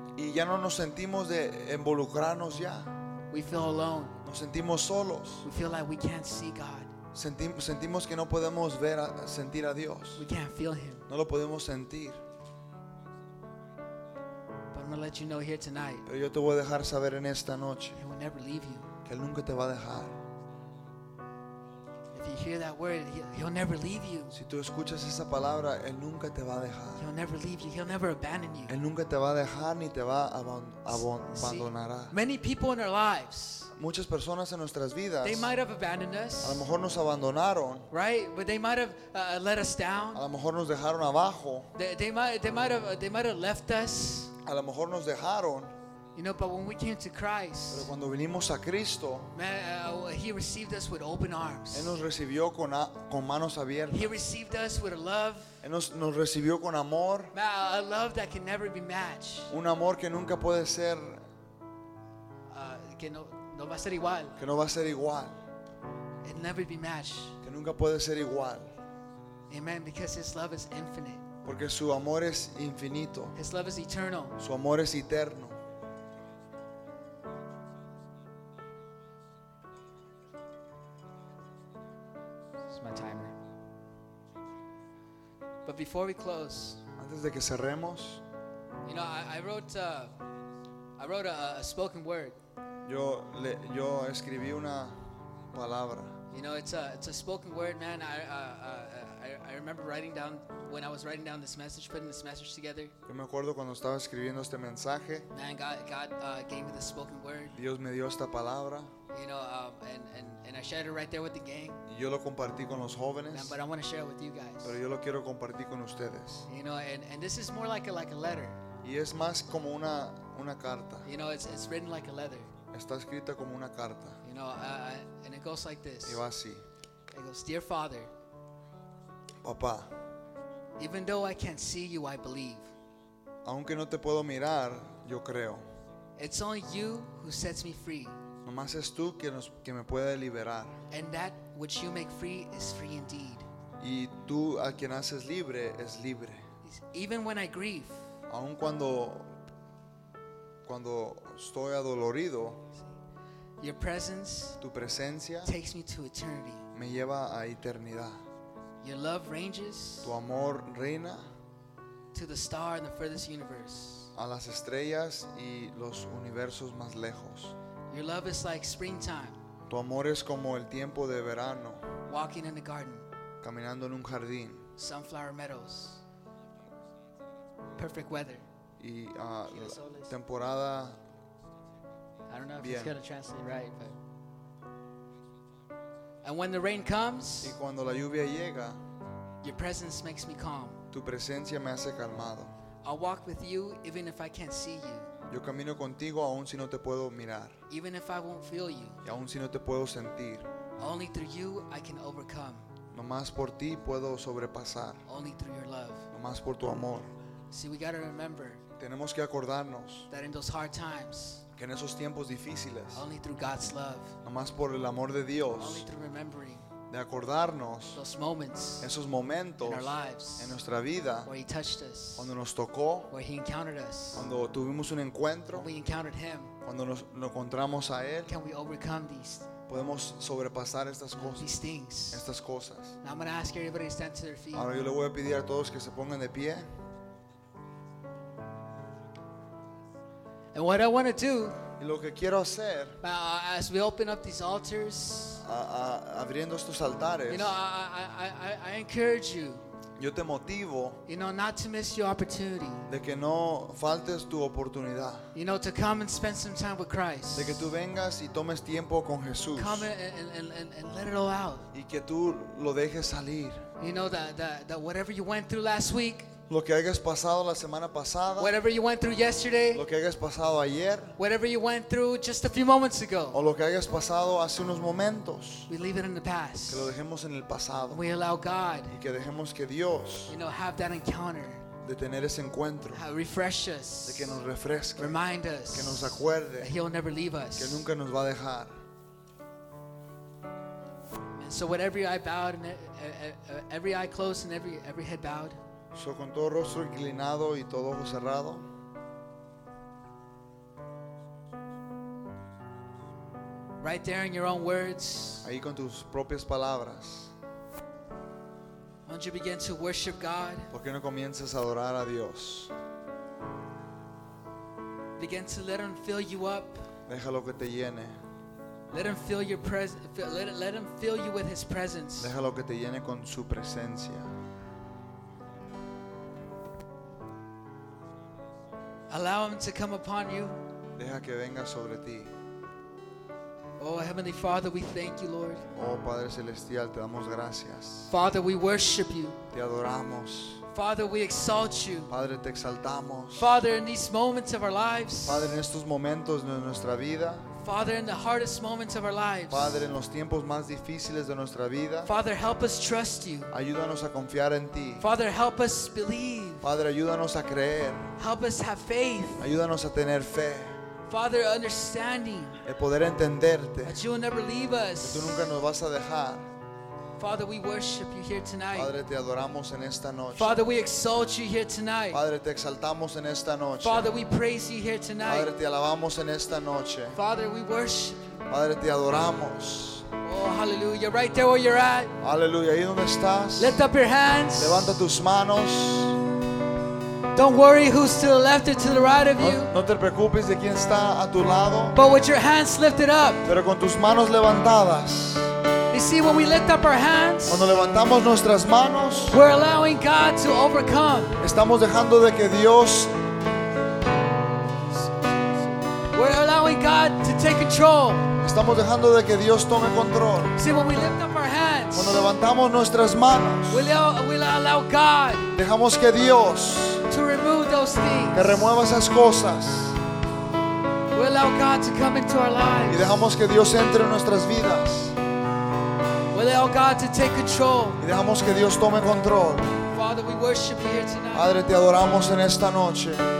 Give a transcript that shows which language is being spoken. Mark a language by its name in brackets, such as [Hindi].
[Spanish] Y ya no nos sentimos de involucrarnos ya. [English] We feel alone. [Spanish] Nos sentimos solos. [English] We feel like we can't see God. [Spanish] Sentimos que no podemos sentir a Dios. [English] We can't feel him. [Spanish] No lo podemos sentir. [English] But I'm going to let you know here tonight. [Spanish] Pero yo te voy a dejar saber en esta noche. [English] He will never leave you. [Spanish] Que él nunca te va a dejar. [English] If you hear that word, he'll never leave you. [Spanish] Si tú escuchas esa palabra, él nunca te va a dejar. [English] He'll never leave you. He'll never abandon you. [Spanish] Él nunca te va a dejar ni te va a abandonará. [English] See, many people in our lives. [Spanish] Muchas personas en nuestras vidas. [English] They might have abandoned us. [Spanish] A lo mejor nos abandonaron. [English] Right, but they might have let us down. [Spanish] A lo mejor nos dejaron abajo. [English] They might have left us. [Spanish] A lo mejor nos dejaron. [English] You know, but when we came to Christ, [Spanish] pero cuando vinimos a Cristo, [English] he received us with open arms. [Spanish] Él nos recibió con manos abiertas. [English] He received us with a love. [Spanish] Él nos recibió con amor. [English] A love that can never be matched. [Spanish] Un amor que nunca puede ser que no va a ser igual. Que no va a ser igual. [English] It never be matched. [Spanish] Que nunca puede ser igual. [English] Amen, because his love is infinite. [Spanish] Porque su amor es infinito. [English] His love is eternal. [Spanish] Su amor es eterno. [English] But before we close, [Spanish] antes de que cerremos, [English] you know, I wrote a spoken word. [Spanish] Yo escribí una palabra. [English] You know, it's a spoken word, man. I remember writing down when I was writing down this message, putting this message together. [Spanish] Yo me acuerdo cuando estaba escribiendo este mensaje. [English] Man, God gave me this spoken word. [Spanish] Dios me dio esta palabra. [English] You know, and I shared it right there with the gang. [Spanish] Y yo lo compartí con los jóvenes. [English] Man, but I want to share it with you guys. [Spanish] Pero yo lo quiero compartir con ustedes. [English] You know, and this is more like a letter. [Spanish] Y es más como una carta. [English] You know, it's written like a letter. [Spanish] Está escrita como una carta. [English] You know, and it goes like this. [Spanish] Y va así. [English] It goes, dear Father. [Spanish] Papá. [English] Even though I can't see you, I believe. [Spanish] Aunque no te puedo mirar, yo creo. [English] It's only you who sets me free. [Spanish] Nomás es tú que me puede liberar. [English] And that which you make free is free indeed. [Spanish] Y tú a quien haces libre es libre. [English] Even when I grieve. [Spanish] Aun cuando estoy adolorido, [English] your presence, [Spanish] tu presencia, [English] takes me to eternity. [Spanish] Me lleva a eternidad. [English] Your love ranges, [Spanish] tu amor reina, [English] to the star in the furthest universe. [Spanish] A las estrellas y los universos más lejos. [English] Your love is like springtime. [Spanish] Tu amor es como el tiempo de verano. [English] Walking in the garden. [Spanish] Caminando en un jardín. [English] Sunflower meadows. Perfect weather. [Spanish] Y temporada. [English] I don't know if [Spanish] bien. [English] He's gonna translate right, but. And when the rain comes. [Spanish] Y cuando la lluvia llega. [English] Your presence makes me calm. [Spanish] Tu presencia me hace calmado. [English] I'll walk with you even if I can't see you. [Spanish] Yo camino contigo aun si no te puedo mirar. [English] Even if I won't feel you. [Spanish] Y aun si no te puedo sentir. [English] Only through you I can overcome. [Spanish] Nomás por ti puedo sobrepasar. [English] Only through your love. [Spanish] Nomás por tu amor. [English] See, we gotta remember. [Spanish] Tenemos que acordarnos. [English] That in those hard times. [Spanish] Que en esos tiempos difíciles. [English] Only through God's love. [Spanish] Nomás por el amor de Dios. [English] Only through remembering. [Spanish] De acordarnos. [English] Those moments. [Spanish] Esos momentos. [English] In our lives. [Spanish] En nuestra vida. [English] Where he touched us. [Spanish] Cuando nos tocó. [English] Where he encountered us. [Spanish] Cuando tuvimos un encuentro. [English] When we encountered him. [Spanish] Cuando nos encontramos a él. [English] Can we overcome these? [Spanish] Podemos sobrepasar estas cosas. [English] These things. [Spanish] Estas cosas. [English] Now I'm going to ask everybody to stand to their feet. [Spanish] Ahora yo le voy a pedir a todos que se pongan de pie. [English] And what I want to do, [Spanish] y lo que quiero hacer, [English] as we open up these altars, [Spanish] abriendo estos altares, [English] you know, I encourage you, [Spanish] yo te motivo, [English] you know, not to miss your opportunity, [Spanish] de que no faltes tu oportunidad, [English] you know, to come and spend some time with Christ, [Spanish] de que tú vengas y tomes tiempo con Jesús, [English] come and let it all out, [Spanish] y que tú lo dejes salir, [English] you know, that whatever you went through last week. [Spanish] Lo que hayas pasado la semana pasada. [English] Whatever you went through yesterday. [Spanish] Lo que hayas pasado ayer. [English] Whatever you went through just a few moments ago. [Spanish] O lo que hayas pasado hace unos momentos. [English] We leave it in the past. [Spanish] Que lo dejemos en el pasado. [English] We allow God. [Spanish] Y que dejemos que Dios. [English] You know, have that encounter. [Spanish] De tener ese encuentro. [English] Refresh us. [Spanish] De que nos refresque. [English] Remind us. [Spanish] Que nos acuerde. [English] That he'll never leave us. [Spanish] Que nunca nos va a dejar. [English] And so with every eye bowed and every eye closed and every head bowed. [Spanish] So, con todo rostro inclinado y todo ojo cerrado. [English] Right there in your own words. [Spanish] Ahí con tus propias palabras. [English] Why don't you begin to worship God? [Spanish] ¿Por qué no comienzas a adorar a Dios? [English] Begin to let him fill you up. [Spanish] Déjalo que te llene. [English] Let him fill your let him fill you with his presence. [Spanish] Déjalo que te llene con su presencia. [English] Allow him to come upon you. [Spanish] Deja que venga sobre ti. [English] Oh, Heavenly Father, we thank you, Lord. [Spanish] Oh, Padre Celestial, te damos gracias. [English] Father, we worship you. [Spanish] Te adoramos. [English] Father, we exalt you. [Spanish] Padre, te exaltamos. [English] Father, in these moments of our lives. [Spanish] Padre, en estos momentos de nuestra vida. [English] Father, in the hardest moments of our lives. [Spanish] Padre, en los tiempos más difíciles de nuestra vida. [English] Father, help us trust you. [Spanish] Ayúdanos a confiar en ti. [English] Father, help us believe. [Spanish] Padre, ayúdanos a creer. [English] Help us have faith. [Spanish] Ayúdanos a tener fe. [English] Father, understanding. [Spanish] El poder entenderte. [English] That you will never leave us. [Spanish] Que tú nunca nos vas a dejar. [English] Father, we worship you here tonight. [Spanish] Padre, te adoramos en esta noche. [English] Father, we exalt you here tonight. [Spanish] Padre, te exaltamos en esta noche. [English] Father, we praise you here tonight. [Spanish] Padre, te alabamos en esta noche. [English] Father, we worship. [Spanish] Padre, te adoramos. [English] Oh, hallelujah. Right there where you're at. [Spanish] Hallelujah. Ahí donde estás. [English] Lift up your hands. [Spanish] Levanta tus manos. [English] Don't worry who's to the left or to the right of you. [Spanish] No te preocupes de quién está a tu lado. [English] But with your hands lifted up. [Spanish] Pero con tus manos levantadas. [English] You see, when we lift up our hands, [Spanish] cuando levantamos nuestras manos, [English] we're allowing God to overcome. [Spanish] Estamos dejando de que Dios, [English] we're allowing God to take control. [Spanish] Estamos dejando de que Dios tome control. [English] See, when we lift up our hands, [Spanish] cuando levantamos nuestras manos, [English] we allow God, [Spanish] dejamos que Dios, [English] to remove those things, [Spanish] que remueva esas cosas. [English] We allow God to come into our lives. [Spanish] Y dejamos que Dios entre en nuestras vidas. [English] We allow God to take control. [Spanish] Y dejamos que Dios tome control. [English] Father, we worship you here tonight. [Spanish] Padre, te adoramos en esta noche.